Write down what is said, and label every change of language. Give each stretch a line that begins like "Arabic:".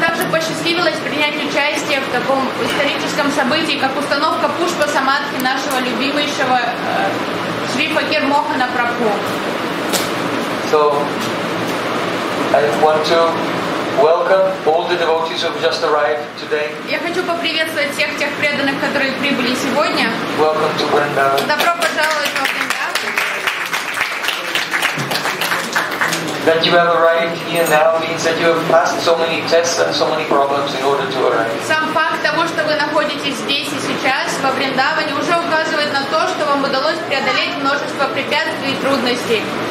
Russian: Посчастливилось принять участие в таком историческом событии, как установка пушпа самадхи нашего любимейшего Шри Факир Мохана Прабху.
English: So, I want to welcome all the devotees who have just arrived today.
Russian: Я хочу поприветствовать всех тех преданных, которые прибыли сегодня.
English: Welcome to Vrindavan.
Russian: Добро пожаловать во Вриндаван.
English: That you have arrived here now means that you have passed so many tests and so many problems in order to arrive.
Russian: Сам факт того, что вы находитесь здесь и сейчас во Вриндаване, уже указывает на то, что вам удалось преодолеть множество препятствий и трудностей.